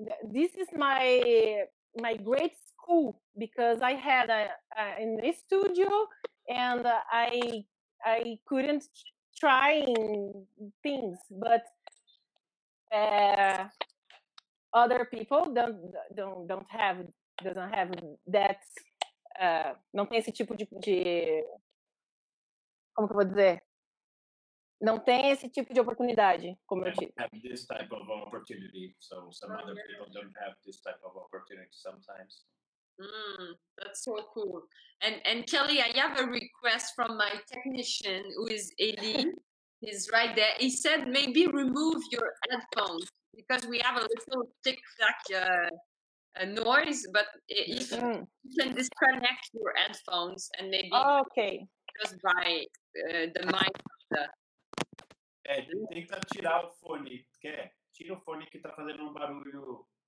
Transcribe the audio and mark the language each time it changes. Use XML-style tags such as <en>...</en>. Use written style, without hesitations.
<en>This is my great school, because I had in this studio and I couldn't try things, but other people doesn't have that</en> <pt>não tem esse tipo de como que eu vou dizer? Não tem esse tipo de oportunidade, como eu disse.</pt> <en>Have this type of opportunity, so some other people don't have this type of opportunity sometimes. That's so cool. And Kelly, I have a request from my technician, who is Eileen. He's right there. He said maybe remove your headphones, because we have a little tick-tack noise, but if you can disconnect your headphones and maybe just by the mic.</en> <pt>Tenta tirar o fone, quer? Tira o fone que tá fazendo um barulho.</pt>